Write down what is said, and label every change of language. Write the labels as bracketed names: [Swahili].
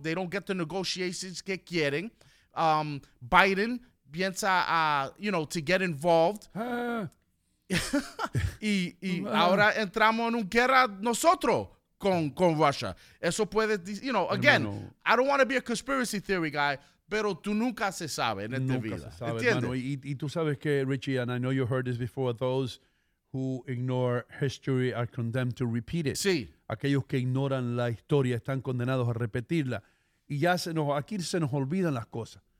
[English] They don't get the negotiations [Spanish] que quieren. [English] Biden [Spanish] piensa, [English] you know, to get involved. [Spanish] Y ahora entramos en una guerra nosotros con Russia. Eso puede, [English] you know, again, hermano. I don't want to be a conspiracy theory guy. [Spanish] Pero tú nunca se sabe en esta vida. Nunca se sabe, hermano. Y tú sabes que, [English] Richie, and I know you heard this before, those who ignore history are condemned to repeat it. [Spanish] Sí. Aquellos que ignoran la historia están condenados a repetirla. Y ya aquí se nos olvidan las cosas.